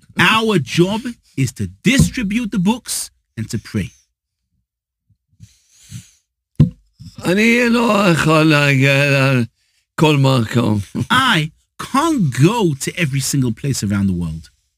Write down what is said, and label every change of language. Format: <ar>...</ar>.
<en>Our job is to distribute the books and to pray.</en> <he>אני לא יכול להגיע לכל מקום.</he> <en>I can't go to every single place around the world.</en>